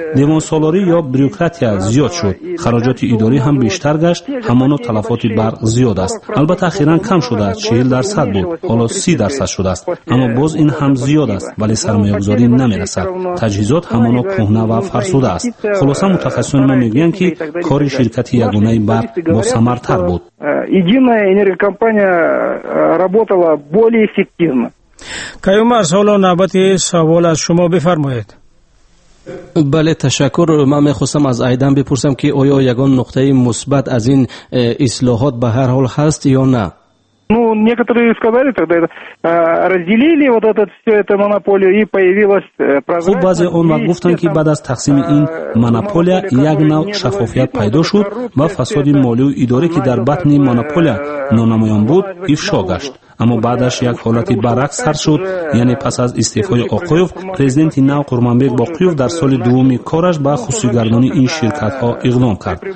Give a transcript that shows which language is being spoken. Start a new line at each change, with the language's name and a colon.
Persian: دیوان سالاری یا بروکراتیا زیاد شد. خراجات اداری هم بیشتر گشت، همان تلفات برق زیاد است. البته اخیرا کم شده، 40% بود، حالا 30% شده است. اما باز این هم زیاد است، ولی سرمایه‌گذاری نمیرسد. تجهیزات همان کهنه و فرسوده است. خلاصه متخصصان ما میگویند که کار شرکت یگانه برق باثمرتر بود.
Russian: Единая энергокомпания работала более эффективно.
Tajik: Каюмар, соло навбати савол аз шумо бифармоед.
Persian: بله تشکر. من میخواستم از آیدان بپرسم که آیا یگان نقطه مثبت از این اصلاحات به هر حال هست یا نه؟
Russian: Ну, некоторые сказали тогда, разделили вот этот всю эту монополию и появилась прозрачность.
Tajik: Хуб базе он ва гуфтан ки баъд аз тақсими ин монополия як нав шаффофият пайдо шуд ва фасоди моли ва идора ки дар батни монополия нонамоён буд ифшо гашт.
Persian: اما بعدش یک حالتی برعکس سر شد، یعنی پس از استعفای آقایوف، پرزیدنت نو قرمانبیگ با قیوف در سال دومی کارش به خصوصی‌گردانی این شرکت ها اقدام کرد.